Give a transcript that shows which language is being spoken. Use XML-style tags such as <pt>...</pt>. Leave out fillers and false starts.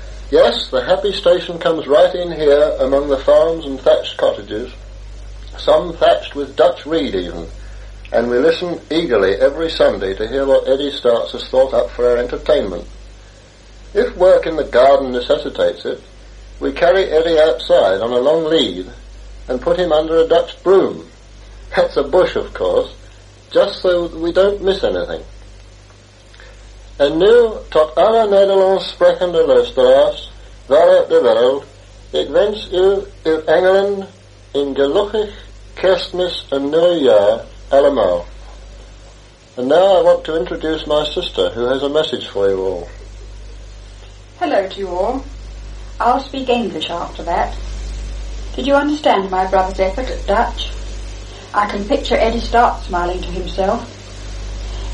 <en>Yes, the Happy Station comes right in here among the farms and thatched cottages, some thatched with Dutch reed even, and we listen eagerly every Sunday to hear what Eddie Starts has thought up for our entertainment. If work in the garden necessitates it, we carry Eddie outside on a long lead and put him under a Dutch broom. That's a bush, of course, just so that we don't miss anything.</en> <nl>En nu, tot alle Nederlands sprekende luisteraars, waaruit de wereld, ik wens u uw engelen een gelukkig kerstmis en nieuwjaar allemaal.</nl> <en>And now I want to introduce my sister, who has a message for you all. Hello to you all. I'll speak English after that. Did you understand my brother's effort at Dutch? I can picture Eddie Stark smiling to himself.</en>